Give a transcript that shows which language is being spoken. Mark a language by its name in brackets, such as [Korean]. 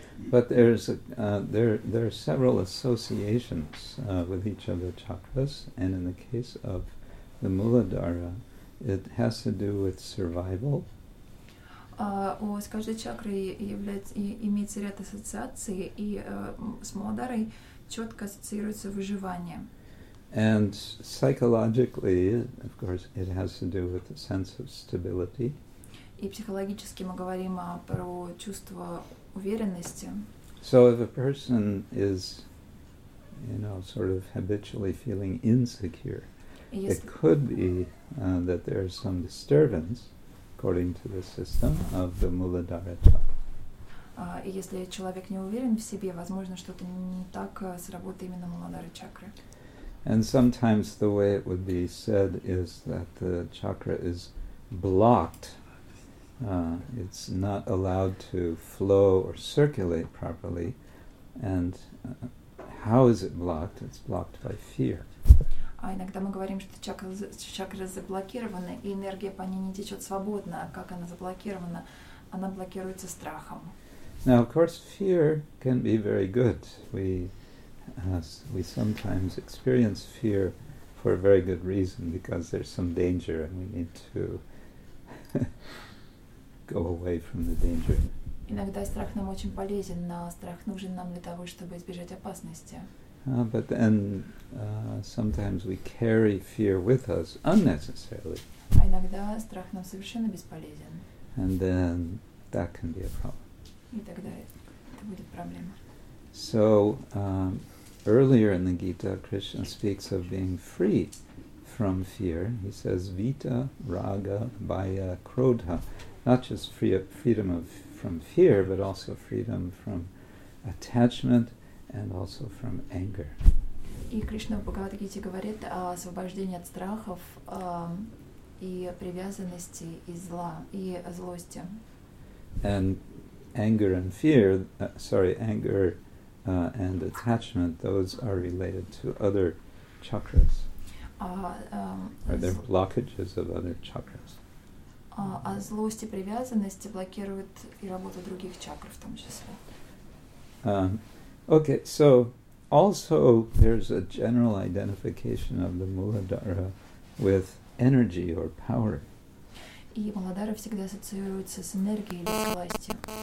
[English] But there are several associations with each of the chakras, and in the case of the Mooladhara, it has to do with survival. [Russian] С каждой чакрой имеется ряд ассоциаций, и с Мулададхарой четко ассоциируется выживание. [English] And psychologically, of course, it has to do with the sense of stability. [Russian] И психологически мы говорим про чувство уверенности. [English] So if a person is, you know, sort of habitually feeling insecure, it could be that there is some disturbance, according to the system of the Mooladhara chakra. [Russian] И если человек не уверен в себе, возможно, что-то не так с работой именно Мулададхары чакры. [English] And sometimes the way it would be said is that the chakra is blocked. It's not allowed to flow or circulate properly. And how is it blocked? It's blocked by fear. [Russian] А иногда мы говорим, что чакра заблокирована, и энергия по ней не течет свободно. А как она заблокирована? Она блокируется страхом. [English] Now, of course, fear can be very good. We sometimes experience fear for a very good reason, because there's some danger and we need to go away from the danger. [Russian] Иногда страх нам очень полезен, но страх нужен нам для того, чтобы избежать опасности. [English] But then sometimes we carry fear with us unnecessarily. [Russian] А иногда страх нам совершенно бесполезен. And then that can be a problem. И тогда это будет проблема. [English] So earlier in the Gita, Krishna speaks of being free from fear. He says, "Vita, raga, baya, krodha." Not just freedom from fear, but also freedom from attachment and also from anger. [Russian] И Кришна в Бхагавад-гите говорит о освобождении от страхов и привязанности и зла и злости. [English] And anger and fear, anger. And attachment, those are related to other chakras. Are there blockages of other chakras? [Russian] А злость и привязанность блокируют и работу других чакр в том числе. [English] Okay, so also there's a general identification of the Mooladhara with energy or power. [Russian] И Mooladhara всегда ассоциируется с энергией или с властью.